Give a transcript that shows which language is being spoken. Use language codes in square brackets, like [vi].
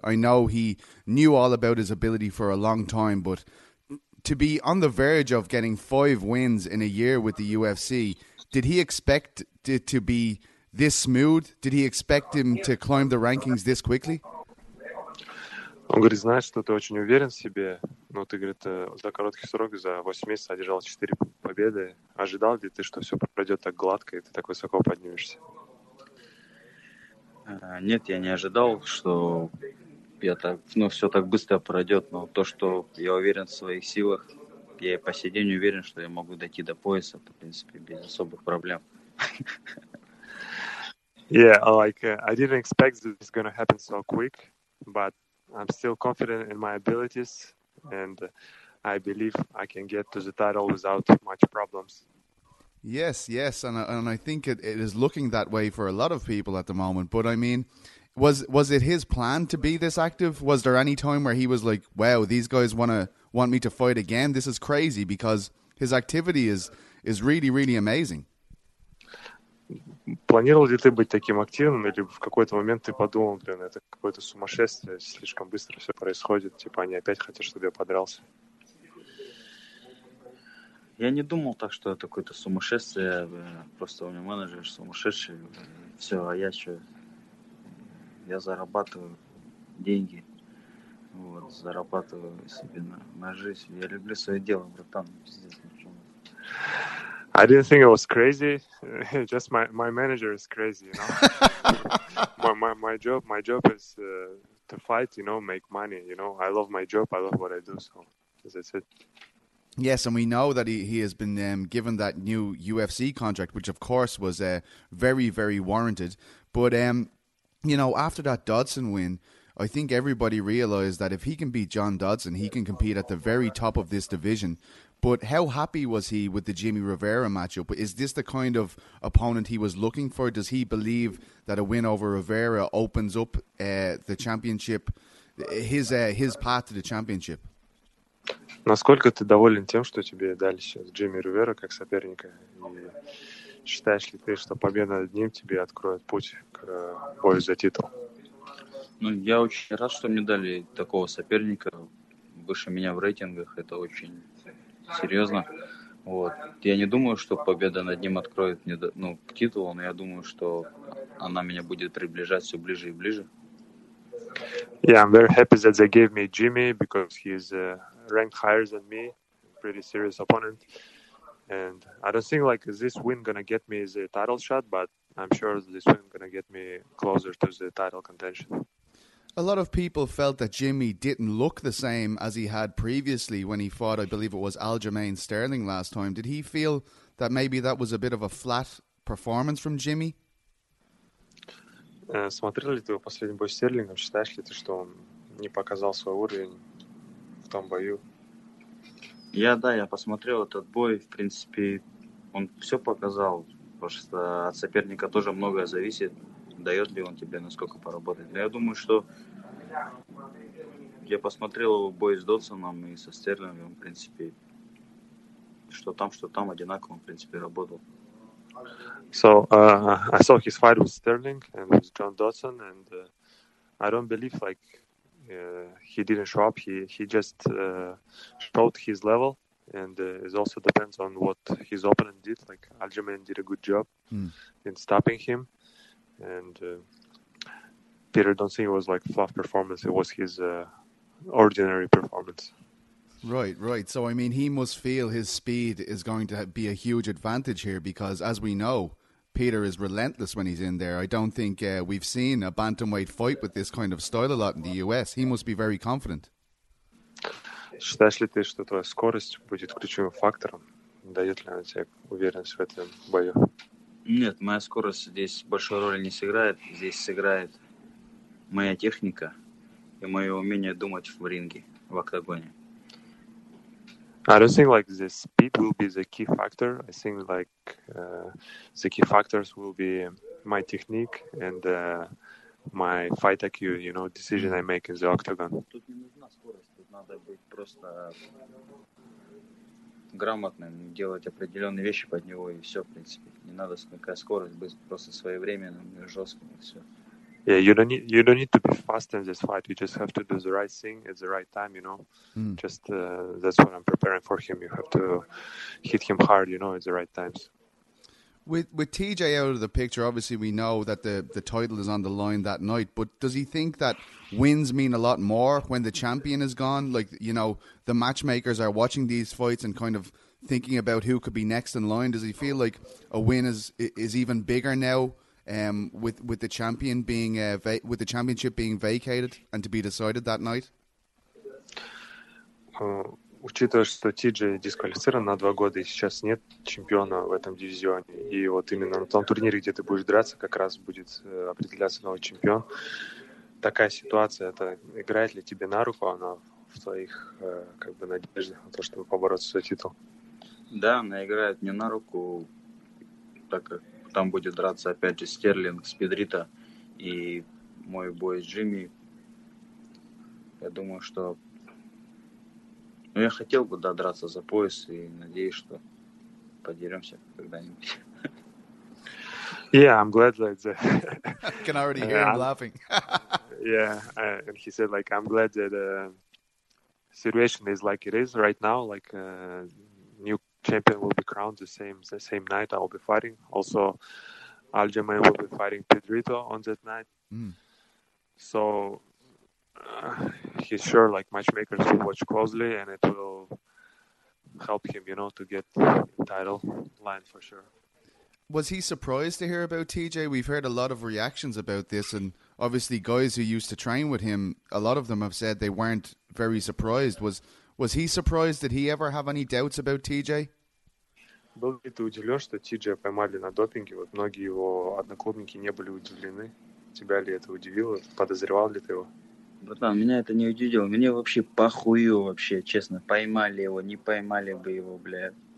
[en] I know he knew all about his ability for a long time, but to be on the verge of getting 5 wins in a year with the UFC, did he expect it to be this smooth? Did he expect him to climb the rankings this quickly? [ru] Он говорит, знаешь, что ты очень уверен в себе, но ты, говорит, за короткий срок, за 8 месяцев одержал 4 победы. Ожидал ли ты, что все пройдет так гладко, и ты так высоко поднимешься? Нет, я не ожидал, что я так, ну, все так быстро пройдет, но то, что я уверен в своих силах, я и по сей день уверен, что я могу дойти до пояса, в принципе, без особых проблем. [en] Yeah, like, I didn't expect that it's gonna happen so quick, but I'm still confident in my abilities, and I believe I can get to the title without much problems. Yes, yes, and I think it is looking that way for a lot of people at the moment. But I mean, was it his plan to be this active? Was there any time where he was like, "Wow, these guys want me to fight again? This is crazy," because his activity is really, really amazing. [ru] Планировал ли ты быть таким активным, или в какой-то момент ты подумал, блин, это какое-то сумасшествие, слишком быстро все происходит, типа они опять хотят, чтобы я подрался? Я не думал так, что это какое-то сумасшествие. Просто у меня менеджер сумасшедший. Все, а я что? Я зарабатываю деньги. Вот, зарабатываю себе на жизнь. Я люблю свое дело, братан. [en] I didn't think it was crazy. Just my manager is crazy, you know. my job is to fight, you know, make money, you know. I love my job. I love what I do. So, as I said. Yes, and we know that he has been given that new UFC contract, which of course was very, very warranted. But you know, after that Dodson win, I think everybody realized that if he can beat John Dodson, he can compete at the very top of this division. But how happy was he with the Jimmy Rivera matchup? Is this the kind of opponent he was looking for? Does he believe that a win over Rivera opens up the championship, his path to the championship? [ru] Насколько ты доволен тем, что тебе дали сейчас Джимми Ривера как соперника? И считаешь ли ты, что победа над ним тебе откроет путь к бою за титул? Ну, я очень рад, что мне дали такого соперника выше меня в рейтингах. Это очень серьезно. Вот. Я не думаю, что победа над ним откроет мне к титулу, но я думаю, что она меня будет приближать все ближе и ближе. [en] Yeah, I'm very happy that they gave me Jimmy because he's ranked higher than me, pretty serious opponent. And I don't think like this win gonna get me the title shot, but I'm sure this win gonna get me closer to the title contention. A lot of people felt that Jimmy didn't look the same as he had previously when he fought, I believe it was Aljamain Sterling last time. Did he feel that maybe that was a bit of a flat performance from Jimmy? [ru] Смотрел ли ты его последний бой с Стерлингом? Считаешь ли ты, что он не показал свой уровень в том бою? Я посмотрел этот бой. В принципе, он все показал. Потому что от соперника тоже многое зависит. Дает ли он тебе, насколько поработать. Я думаю, что я посмотрел его бой с Додсоном и со Стерлингом. В принципе, что там одинаково, он, в принципе, работал. [en] So I saw his fight with Sterling and with John Dodson, and I don't believe like he didn't show up. He just showed his level, and it also depends on what his opponent did. Like Aljamain did a good job in stopping him, and Peter, don't think it was like fluff performance. It was his ordinary performance. Right. So, I mean, he must feel his speed is going to be a huge advantage here because, as we know, Peter is relentless when he's in there. I don't think we've seen a bantamweight fight with this kind of style a lot in the US. He must be very confident. [ru] Считаешь ли ты, что твоя скорость будет ключевым фактором? Дает ли она тебе уверенность в этом бою? Нет, моя скорость здесь большой роли не сыграет. Здесь сыграет моя техника и мое умение думать в ринге, в октагоне. [en] I don't think like the speed will be the key factor. I think like the key factors will be my technique and my fight IQ, you know, decision I make in the octagon. [ru] Тут не нужна скорость, тут надо быть просто грамотным, делать определенные вещи под него и все, в принципе. Не надо никакая скорость, быть просто своевременным и жестким и все. [en] Yeah, you don't need to be fast in this fight. You just have to do the right thing at the right time, you know. Just that's what I'm preparing for him. You have to hit him hard, you know, at the right times. With TJ out of the picture, obviously we know that the title is on the line that night, but does he think that wins mean a lot more when the champion is gone? Like, you know, the matchmakers are watching these fights and kind of thinking about who could be next in line. Does he feel like a win is even bigger now? With the champion being with the championship being vacated and to be decided that night. [ru] Учитывая, что TJ дисквалифицирован на 2 года и сейчас нет чемпиона в этом дивизионе, и вот именно на том турнире, где ты будешь драться, как раз будет определяться новый чемпион. Такая ситуация, это играет ли тебе на руку она в твоих как бы надеждах на то, чтобы побороться за титул? Да, она играет мне на руку, так как там будет драться, опять же, Стерлинг, Спидрита и мой бой с Джимми. Я думаю, что... Ну, я хотел бы, да, драться за пояс и надеюсь, что подеремся когда-нибудь. [en] Yeah, I'm glad that... I can already hear him laughing. Yeah, and he said, like, I'm glad that situation is like it is right now, like new champion will be crowned the same night. I'll be fighting. Also, Aljamain will be fighting Pedrito on that night. Mm. So, he's sure like matchmakers will watch closely, and it will help him, you know, to get title line for sure. Was he surprised to hear about TJ? We've heard a lot of reactions about this, and obviously guys who used to train with him, a lot of them have said they weren't very surprised. Was he surprised? Did he ever have any doubts about TJ? [ru] Был ли ты удивлен, что TJ поймали на допинге? Вот многие его одноклубники не были удивлены. Тебя ли это удивило? Подозревал ли ты его? Братан, меня это не удивило. Мне вообще похую вообще, честно. Поймали его, не поймали бы его, бля.